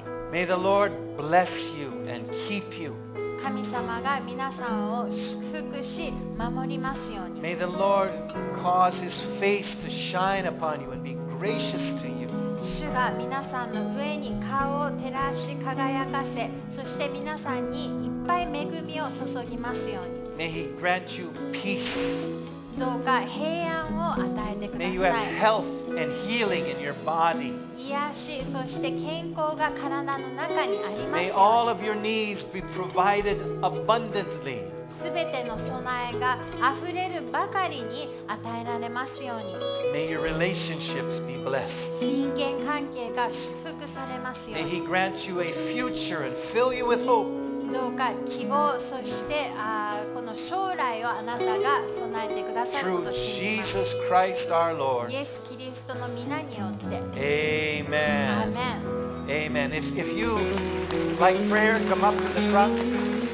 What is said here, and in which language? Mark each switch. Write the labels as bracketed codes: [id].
[en] May the Lord bless you and keep you. [ja] 神様が皆さんを祝福し守りますように。 [en] May the Lord cause His face to shine upon you and be gracious to you. [ja] 主が皆さんの上に顔を照らし輝かせ、そして皆さんにいっぱい恵みを注ぎますように。 [en] May He grant you peace. [ja] どうか平安を与えてください。 [en] May you have health and healing in your body. [ja] 癒し、そして健康が体の中にあります。 [en] May all of your needs be provided abundantly. [ja] 全ての備えがあふれるばかりに与えられますように。 [en] May your relationships be blessed. [ja] 人間関関係が祝福されますように。 [en] May He grant you a future and fill you with hope. [ja] どうか希望、そしてこの将来をあなたが備えてくださることを信じます。 [en] Through Jesus Christ our Lord. [ja] イエス・キリストの御名によって。 [en] Amen. Amen. Amen. If you like prayer, come up to the front.